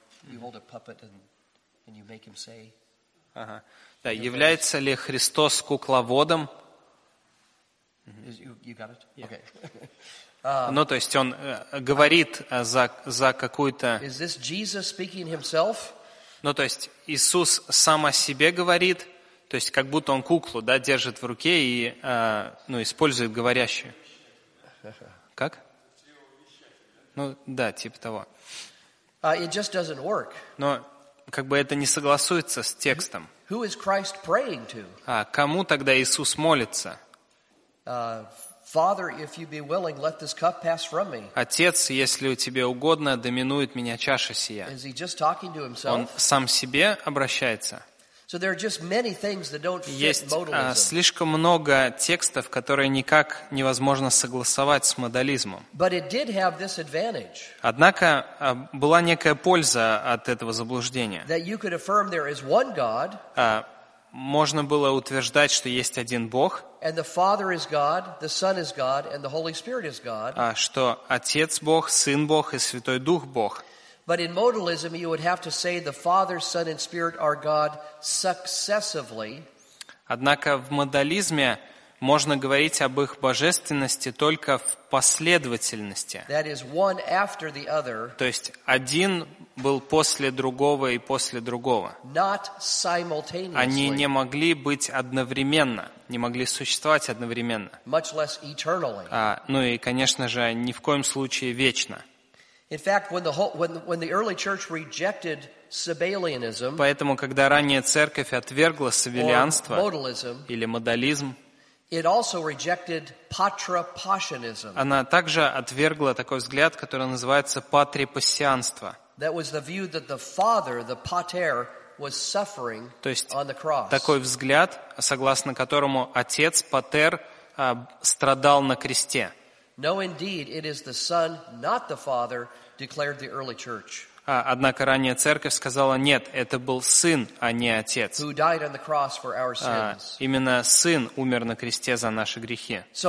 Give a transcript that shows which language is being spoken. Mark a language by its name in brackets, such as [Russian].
[English] You hold a puppet and you make him say. [Russian] Да, является ли Христос кукловодом? [English] You got it? Yeah. Okay. [Russian] Ну, то есть он говорит за какую-то... [English] Is this Jesus speaking himself? [Russian] Ну, то есть Иисус сам о себе говорит, то есть как будто он куклу, да, держит в руке и, ну, использует говорящую. Как? Ну, да, типа того. [English] It just doesn't work. [Russian] Но как бы это не согласуется с текстом. [English] Who is Christ praying to? [Russian] Кому тогда Иисус молится? [English] Father, if you be willing, let this cup pass from me. [Russian] Отец, если у тебя угодно, доминует меня чаша сия. [English] Is he just talking to himself? [Russian] Он сам себе обращается. [English] So there are just many things that don't fit modalism. [Russian] Есть слишком много текстов, которые никак невозможно согласовать с модализмом. [English] But it did have this advantage. [Russian] Однако была некая польза от этого заблуждения. [English] That you could affirm there is one God. [Russian] Можно было утверждать, что есть один Бог. [English] And the Father is God, the Son is God, and the Holy Spirit is God. [Russian] Что Отец Бог, Сын Бог и Святой Дух Бог. [English] But in modalism, you would have to say the Father, Son, and Spirit are God successively. [Russian] Однако в модализме можно говорить об их божественности только в последовательности. [English] That is one after the other, [Russian] то есть один был после другого и после другого. [English] Not simultaneously. [Russian] Они не могли быть одновременно, не могли существовать одновременно. [English] Much less eternally. [Russian] Ну и, конечно же, ни в коем случае вечно. [English] In fact, when the early church rejected Sabellianism, [Russian] поэтому, когда ранняя церковь отвергла сабеллианство или модализм, [English] it also rejected patripassianism. [Russian] Она также отвергла такой взгляд, который называется патрипассианство. [English] That was the view that the Father, the Pater, was suffering on the cross. [Russian] То есть такой взгляд, согласно которому отец Патер страдал на кресте. [English] No, indeed, it is the Son, not the Father, declared the early church. [Russian] Однако ранняя церковь сказала, нет, это был Сын, а не Отец. Именно Сын умер на кресте за наши грехи.